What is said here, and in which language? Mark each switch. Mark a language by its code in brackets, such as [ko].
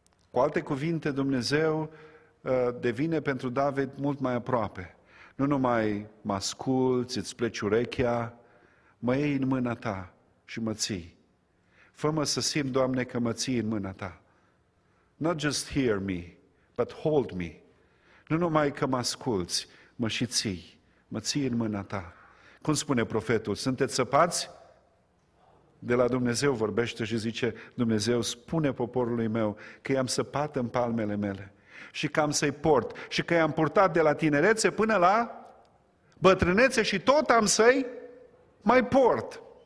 [ro] Cu alte cuvinte, Dumnezeu devine pentru David mult mai aproape. Nu numai mă asculți, îți pleci urechea, mă iei în mâna ta și mă ții. Fă-mă să simt, Doamne, că mă ții în mâna ta. [en] Not just hear me, but hold me. [ro] Nu numai că mă asculți, mă și ții, mă ții în mâna ta. Cum spune profetul, sunteți săpați? De la Dumnezeu vorbește și zice, Dumnezeu spune poporului meu că i-am săpat în palmele mele și că am să-i port și că i-am purtat de la tinerețe până la bătrânețe și tot am să-i mai port.